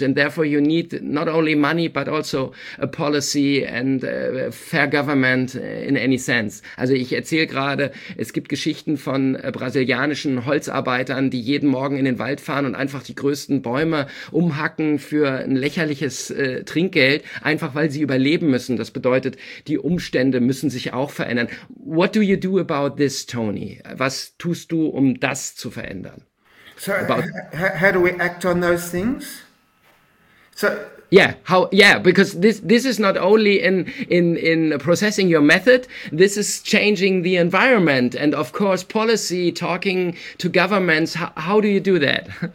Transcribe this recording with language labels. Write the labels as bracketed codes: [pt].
[en] And therefore, you need not only money, but also a policy and fair government in any sense. [de] Also ich erzähle gerade, es gibt Geschichten von brasilianischen Holzarbeitern, die jeden Morgen in den Wald fahren und einfach die größten Bäume umhacken für ein lächerliches Trinkgeld, einfach weil sie überleben müssen. Das bedeutet, die Umstände müssen sich auch verändern. [en] What do you do about this, Tony? [de] Was tust du, um das zu verändern? [en] So, how do we act on those things? So, because this is not only in processing your method, this is changing the environment and of course policy, talking to governments. How do you do that?